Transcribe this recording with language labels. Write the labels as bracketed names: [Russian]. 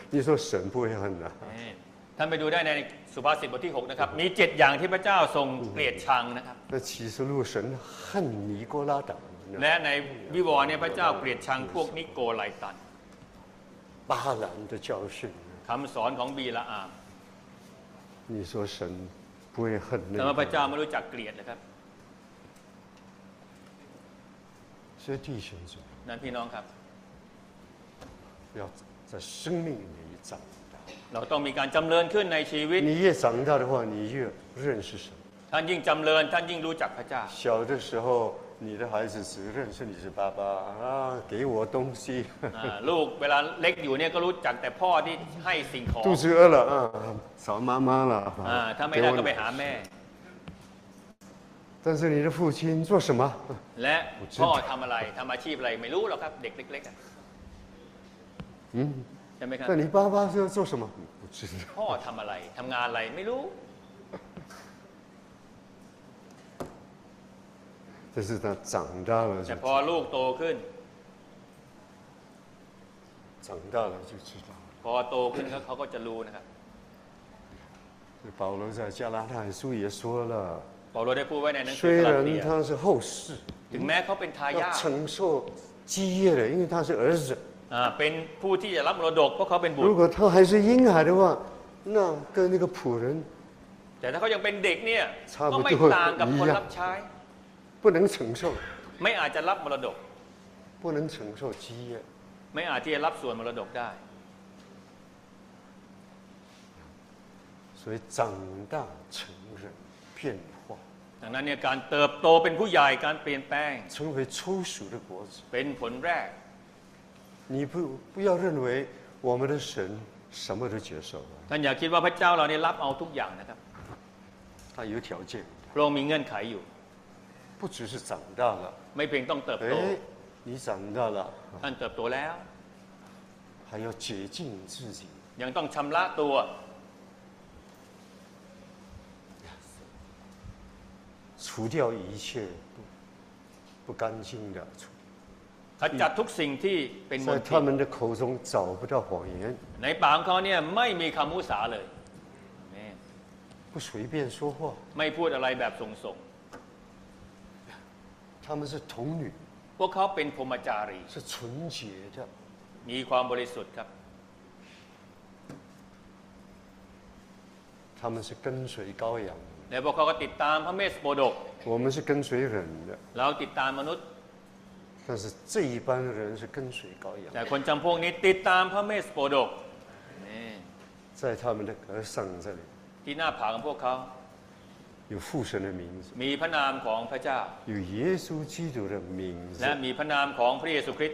[Chinese] 你说神不会恨的？ [Thai] ท่านไปดูได้ในสุภาษิตบทที่6นะครับมีเจ็ดอย่างที่พระเจ้าทรงเกลียดชังนะครับ 。 [Chinese] 那启示录神恨尼哥拉党。 [Thai] และในวิวรณ์เนี่ยพระเจ้าเกลียดชังพวกนิโกไลตัน。 [Chinese] 巴兰的教训。 [Thai] คำสอนของบีละอาม [Chinese] 你说神不会恨那个 [Thai] แต่พระเจ้าไม่รู้จักเกลียดนะครับ [Chinese] 所以弟兄姊妹 [Thai] นั่นพี่น้องครับ [Chinese] 要在生命里长大 [Thai] เราต้องมีการจำเริญขึ้นในชีวิต [Chinese] 你越长大的话你越认识神 [Thai] ท่านยิ่งจำเริญท่านยิ่งรู้จักพระเจ้า [Chinese] 小的时候你的孩子只认识你是爸爸啊，给我东西。 [Thai] ลูกเวลาเล็กอยู่เนี่ยก็รู้จักแต่พ่อที่ให้สิ่งของ。 [Chinese] 肚子饿了，找妈妈了。 [Thai] ถ้าไม่ได้ก็ไปหาแม่。 [Chinese] 但是你的父亲做什么？ [Thai] และพ่อทำอะไรทำอาชีพอะไรไม่รู้หรอกครับเด็กเล็กๆ。 ใช่ไหมครับ ？ [Chinese] 那你爸爸是做什么？不知道。 [Thai] พ่อทำอะไรทำงานอะไรไม่รู้。 [Chinese] 这是他长大了就。 [Thai] แต่พอลูกโตขึ้น， [Chinese] 长大了就知道。 [Thai] พอโตขึ้นเขาก็จะรู้นะครับ 。 [Chinese] 保罗在加拉太书也说了。 [Thai] 保罗ได้พูดไว้ในหนังสือ [Chinese] กาลาเทีย。虽然他是后世， [Thai] ถึงแม้เขาเป็นทายาท， [Chinese] 要承受基业的，因为他是儿子。 [Thai] เป็นผู้ที่จะรับมรดกเพราะเขาเป็นบุตร。 [Chinese] 如果他还是婴孩的话，那跟那个仆人。 [Thai] แต่ถ้าเขายังเป็นเด็กเนี่ย， [Chinese] 差不多， [Thai] ก็ไม่ต่างกับคนรับใช้ [Chinese] 不能承受， [Thai] ไม่อาจจะรับมรดก， [Chinese] 不能承受基业， [Thai] ไม่อาจที่จะรับส่วนมรดกได้ [Chinese] ，所以长大成人变化， [Thai] ดังนั้นเนี่ยการเติบโตเป็นผู้ใหญ่การเปลี่ยนแปลง， [Chinese] 成为初熟的果子， [Thai] เป็นผลแรก， [Chinese] 你不要认为我们的神什么都接受， [Thai] ท่านอย่าคิดว่าพระเจ้าเราเนี่ยรับเอาทุกอย่างนะครับ， [Chinese] 他有条件， [Thai] พระองค์มีเงื่อนไขอยู่ [Chinese] 不只是长大了， [Thai] ไม่เพียงต้องเติบโต。 哎， [Chinese] 你长大了， [Thai] ท่านเติบโตแล้ว， [Chinese] 还要洁净自己， [Thai] ยังต้องชำระตัว。 [Chinese] 除掉一切不干净的，除。 [Thai] ขจัดทุกสิ่งที่เป็นมลทิน。 [Chinese] 在他们的口中找不到谎言。 [Thai] ในปากของเขาเนี่ยไม่มีคำมุสาเลย。 [Chinese] 不随便说话。 [Thai] ไม่พูดอะไรแบบส่งๆ [Chinese] 他们是童女， [Thai] พวกเขาเป็นพรหมจารี [Chinese] 是纯洁的， [Thai] มีความบริสุทธิ์ครับ [Chinese] 他们是跟随羔羊， [Thai] แล้วพวกเขาก็ติดตามพระเมสโปดก [Chinese] 我们是跟随人的， [Thai] เราติดตามมนุษย์ [Chinese] 但是这一般人是跟随羔羊， [Thai] แต่คนจำพวกนี้ติดตามพระเมสโปดก [Chinese] 在他们的额上这里， [Thai] ที่หน้าผากของพวกเขา [Chinese] 有父神的名字 [Thai] มีพระนามของพระเจ้า [Chinese] 有耶稣基督的名字 [Thai] และมีพระนามของพระเยซูคริสต